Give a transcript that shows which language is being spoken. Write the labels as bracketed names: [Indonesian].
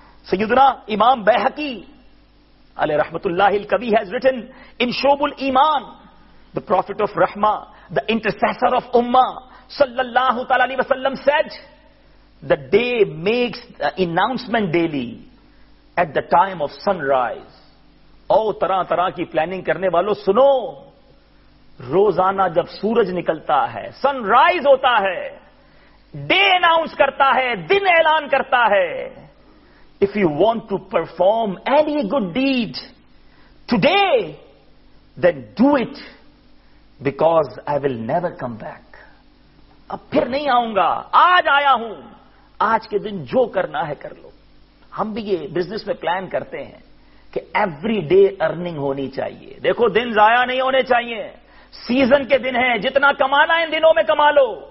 [English] سیدنا امام بیہقی علیہ رحمت اللہ الکبی has written in شعب الایمان، the prophet of رحمہ، the intercessor of امہ صلی اللہ تعالی علیہ وسلم said, the day makes the announcement daily at the time of sunrise. [Urdu] او طرح طرح کی پلاننگ کرنے والوں سنو، روزانہ جب سورج نکلتا ہے، سن رائز ہوتا ہے، ڈے اناؤنس کرتا ہے، دن اعلان کرتا ہے. [English] If you want to perform any good deed today, then do it, because I will never come back. [Urdu] اب پھر نہیں آؤں گا، آج آیا ہوں، آج کے دن جو کرنا ہے کر لو. ہم بھی یہ بزنس میں پلان کرتے ہیں کہ [English] every day earning [Urdu] ہونی چاہیے. دیکھو دن ضائع نہیں ہونے چاہیے، سیزن کے دن ہیں، جتنا کمانا ان دنوں میں کما لو.